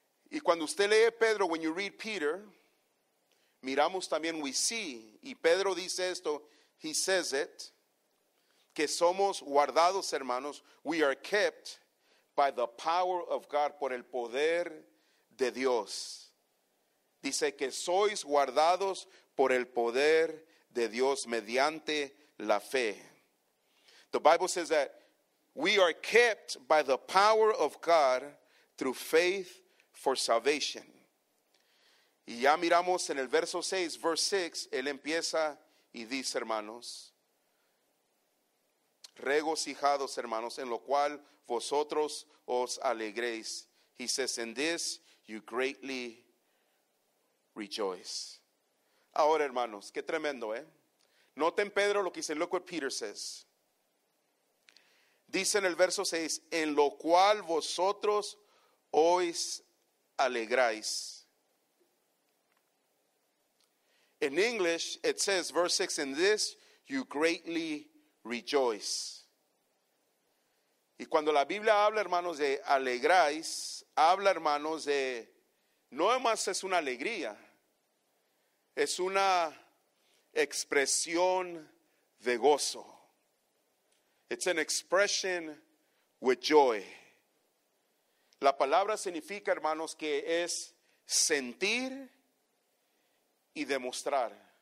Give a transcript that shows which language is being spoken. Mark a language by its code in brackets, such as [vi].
[es] Y cuando usted lee Pedro, [en] when you read Peter, [es] miramos también, [en] we see, [es] y Pedro dice esto, [en] he says it, [es] que somos guardados, hermanos, [en] we are kept by the power of God, [es] por el poder de Dios. Dice que sois guardados por el poder de Dios mediante la fe. [en] The Bible says that we are kept by the power of God through faith for salvation. [es] Y ya miramos en el verso 6, verse 6, él empieza y dice, hermanos, regocijados, hermanos, en lo cual vosotros os alegréis. [en] He says, in this you greatly rejoice. [es] Ahora, hermanos, qué tremendo, Noten Pedro lo que dice, [en] look what Peter says. [es] Dice en el verso 6, en lo cual vosotros os alegráis. [en] In English, it says, verse 6, in this you greatly rejoice. [es] Y cuando la Biblia habla, hermanos, de alegráis, habla, hermanos, de, no más es una alegría, es una expresión de gozo. [en] It's an expression with joy. [es] La palabra significa, hermanos, que es sentir y demostrar.